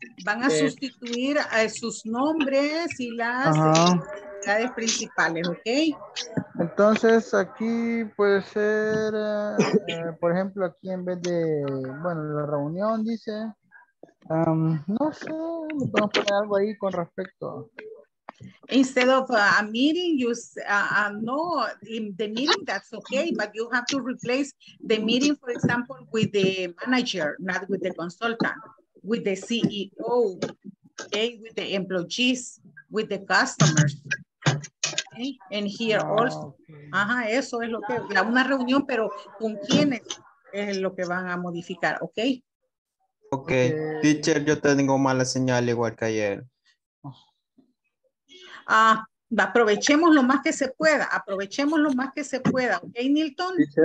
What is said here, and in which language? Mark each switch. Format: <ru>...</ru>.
<es>Van a sustituir a sus nombres y las actividades principales, ¿ok? Entonces, aquí puede ser, por ejemplo, aquí en vez de, bueno, la reunión dice, no sé, podemos poner algo ahí con respecto.</es> <en>Instead of a meeting, you no, in the meeting, that's okay, but you have to replace the meeting, for example, with the manager, not with the consultant, with the CEO, okay, with the employees, with the customers. En here also.</en> <es>Ajá, eso es lo que, una reunión, pero con quiénes es lo que van a modificar, ¿ok? Ok, teacher, yo tengo mala señal igual que ayer. Ah, aprovechemos lo más que se pueda, aprovechemos lo más que se pueda, ¿ok, Nilton?</es>